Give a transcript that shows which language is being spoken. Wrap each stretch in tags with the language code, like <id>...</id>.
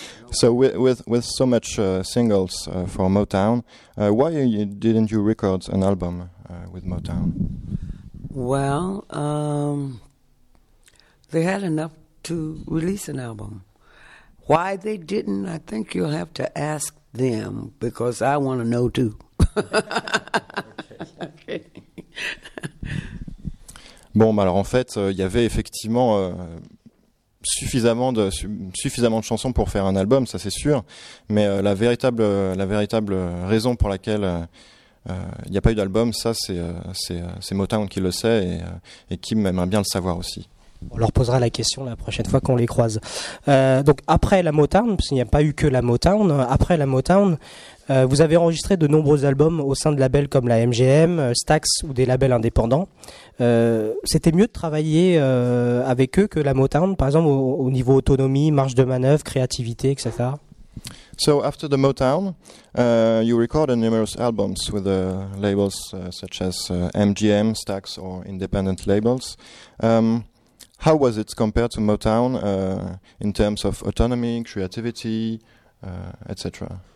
<en>so with so much singles for Motown, why didn't you record an album with Motown? Well, they had enough to release an album. Why they didn't, I think you'll have to ask them, because I want to know too. Okay.</en> <fr>Bon, bah alors en fait, il y avait effectivement suffisamment de chansons pour faire un album, ça c'est sûr. Mais la véritable raison pour laquelle il n'y a pas eu d'album, ça c'est Motown qui le sait et Kim aimerait bien le savoir aussi. On leur posera la question la prochaine fois qu'on les croise. Donc après la Motown, parce qu'il n'y a pas eu que la Motown, après la Motown, vous avez enregistré de nombreux albums au sein de labels comme la MGM, Stax ou des labels indépendants. C'était mieux de travailler avec eux que la Motown, par exemple au niveau autonomie, marge de manœuvre, créativité, etc.</fr> <en>So after the Motown, you recorded numerous albums with labels such as MGM, Stax or independent labels. How was it compared to Motown in terms of autonomy, creativity, etc.?</en>